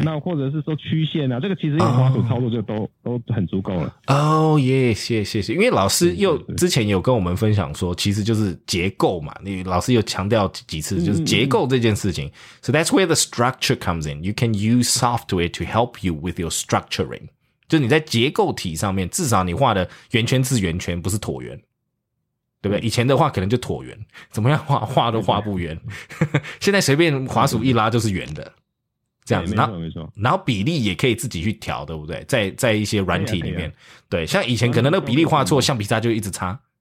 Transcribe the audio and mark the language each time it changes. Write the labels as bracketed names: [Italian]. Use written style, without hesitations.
[Chinese] 那或者是说曲线啊，这个其实用滑鼠操作就都很足够了。哦耶，谢谢，因为老师又之前有跟我们分享说，其实就是结构嘛，你老师有强调几次就是结构这件事情。 [English] So that's where the structure comes in. You can use software to help you with your structuring. [Chinese] 就你在结构体上面，至少你画的圆圈是圆圈，不是椭圆，对不对？以前的话可能就椭圆，怎么样画都画不圆。现在随便滑鼠一拉就是圆的，这样子。没错没错。然后比例也可以自己去调，对不对？在一些软体里面，对，像以前可能那个比例画错，橡皮擦就一直擦。